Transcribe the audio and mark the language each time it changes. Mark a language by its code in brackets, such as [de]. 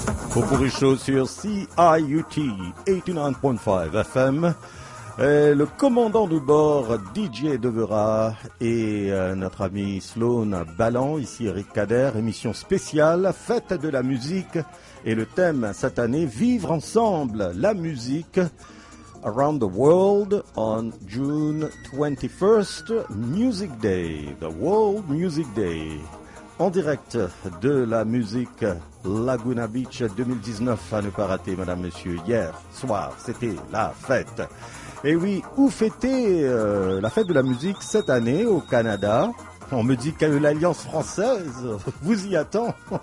[fr] Pour Popourichaud sur CIUT 89.5 FM. Le commandant de bord DJ Devera et notre ami Sloan Ballant, ici Eric Kader, émission spéciale, fête de la musique. Et le thème cette année, vivre ensemble la musique. [en] Around the World on June 21st, Music Day, the World Music Day. [fr] En direct de la musique Laguna Beach 2019, à ne pas rater, madame, monsieur, hier soir, c'était la fête. Et oui, où fêter la fête de la musique cette année au Canada? On me dit que l'Alliance française vous y attend.